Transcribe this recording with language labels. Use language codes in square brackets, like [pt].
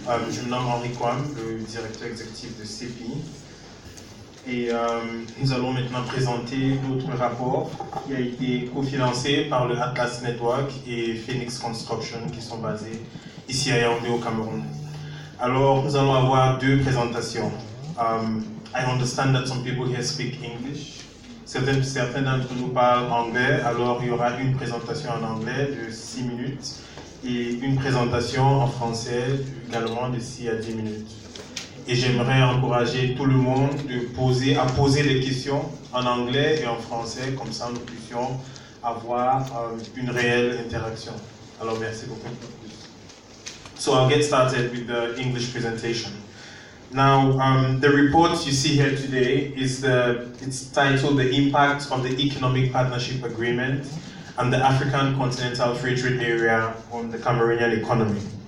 [fr] Je me nomme Henri Kwan, le directeur exécutif de CEPI. Et nous allons maintenant présenter notre rapport qui a été cofinancé par le Atlas Network et Phoenix Construction qui sont basés ici à Yaoundé au Cameroun. Alors, nous allons avoir deux présentations. [en] I understand that some people here speak English. [fr] Certains d'entre nous parlent anglais, alors il y aura une présentation en anglais de 6 minutes et une présentation en français également de 6 à 10 minutes. Et j'aimerais encourager tout le monde à poser des questions en anglais et en français, comme ça nous puissions avoir une réelle interaction. Alors merci beaucoup. [en] So I'll get started with the English presentation. Now, the report you see here today is titled The Impact of the Economic Partnership Agreement and the African Continental Free Trade Area on the Cameroonian Economy.